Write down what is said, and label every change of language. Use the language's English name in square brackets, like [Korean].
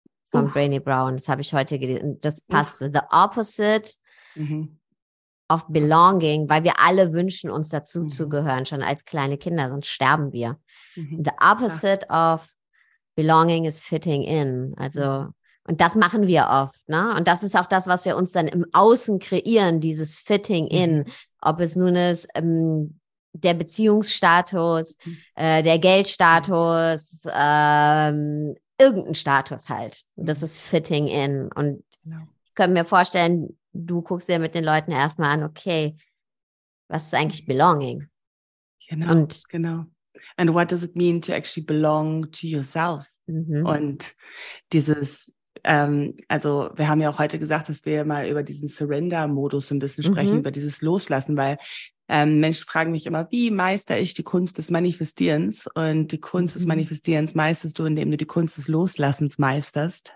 [German] Von Brené Brown, das habe ich heute gelesen, das passte. [English] The opposite of belonging, [German] weil wir alle wünschen, uns dazu zu gehören, schon als kleine Kinder, sonst sterben wir. [English] The opposite of belonging is fitting in. [German] Also, und das machen wir oft, ne? Und das ist auch das, was wir uns dann im Außen kreieren, dieses fitting in. Ob es nun ist, der Beziehungsstatus, der Geldstatus, irgendein Status halt. Das ist fitting in. Und ich könnte mir vorstellen, du guckst ja mit den Leuten erstmal an, okay, was ist eigentlich belonging? Genau. [English] Und, And what does it mean to actually belong to yourself? Mm-hmm. [German] Und dieses, also wir haben ja auch heute gesagt, dass wir mal über diesen Surrender-Modus ein bisschen sprechen, über dieses Loslassen, weil Menschen fragen mich immer, wie meister ich die Kunst des Manifestierens? Und die Kunst des Manifestierens meisterst du, indem du die Kunst des Loslassens meisterst.